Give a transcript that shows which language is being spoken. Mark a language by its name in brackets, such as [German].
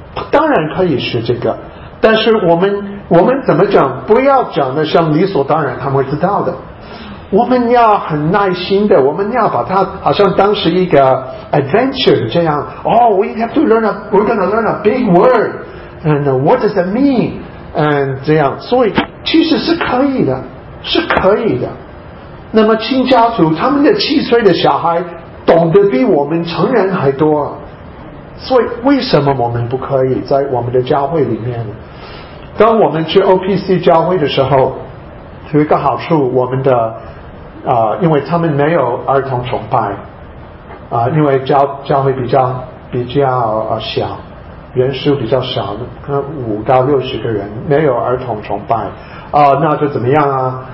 [Chinese] 当然可以学这个，但是我们怎么讲，不要讲的像理所当然他们会知道的，我们要很耐心的，我们要把它好像当时一个 adventure 这样。 [English] Oh, we have to learn a, we're going to learn a big word, and what does that mean, and [Chinese] 这样。所以其实是可以的，是可以的。那么亲家族他们的七岁的小孩懂得比我们成人还多，所以为什么我们不可以在我们的教会里面呢？当我们去 OPC 教会的时候，有一个好处，我们的因为他们没有儿童崇拜因为 教会比较小，人数比较少，五到六十个人，没有儿童崇拜那就怎么样啊？